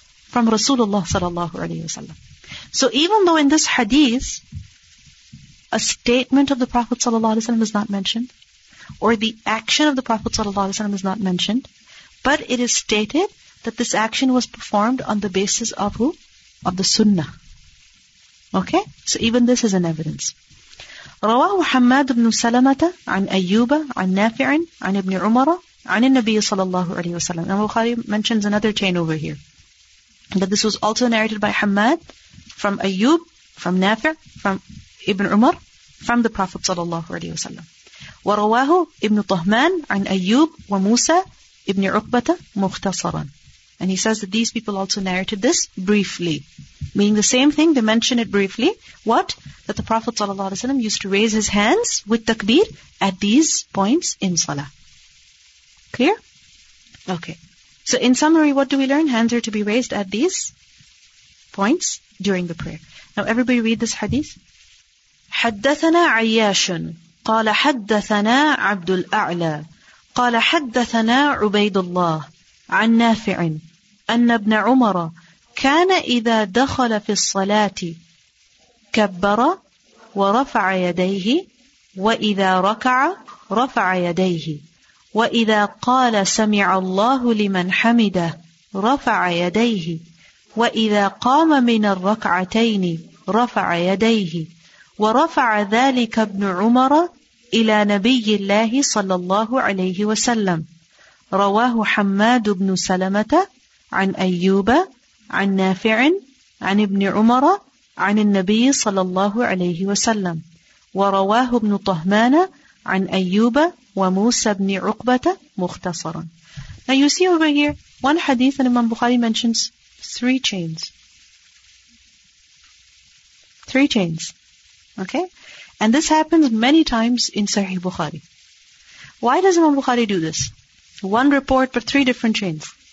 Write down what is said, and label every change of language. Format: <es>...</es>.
<en>From Rasulullah sallallahu alaihi wasallam. So even though in this hadith a statement of the Prophet sallallahu alaihi wasallam is not mentioned, or the action of the Prophet sallallahu alaihi wasallam is not mentioned, but it is stated that this action was performed on the basis of who? Of the sunnah. Okay? So even this is an evidence.</en> <ar>رواه حماد بن سلمة عن أيوب عن نافع عن ابن عمر عن النبي صلى الله عليه وسلم.</ar> <en>And Bukhari mentions another chain over here. That this was also narrated by Hamad from Ayyub, from Nafi, from Ibn Umar, from the Prophet صلى الله عليه وسلم.</en> <ar>ورواه ابن طهمان عن أيوب وموسى ابن عقبة مختصرا.</ar> <en>And he says that these people also narrated this briefly. Meaning the same thing, they mention it briefly. What? That the Prophet ﷺ used to raise his hands with takbir at these points in salah. Clear? Okay. So in summary, what do we learn? Hands are to be raised at these points during the prayer. Now everybody read this hadith.</en> <ar>حدثنا عياش قال حدثنا عبد الأعلى قال حدثنا عبيد الله عن نافع أن ابن عمر كان إذا دخل في الصلاة كبر ورفع يديه وإذا ركع رفع يديه وإذا قال سمع الله لمن حمده رفع يديه وإذا قام من الركعتين رفع يديه ورفع ذلك ابن عمر إلى نبي الله صلى الله عليه وسلم رواه حماد بن سلمة عن أيوب عن نافع عن ابن عمر عن النبي صلى الله عليه وسلم ورواه ابن طهمان عن أيوب وموسى بن عقبة مختصرا.</ar> <en>Now you see over here one hadith and Imam Bukhari mentions three chains. Okay, and this happens many times in Sahih Bukhari. Why does Imam Bukhari do this? One report but three different chains.</en>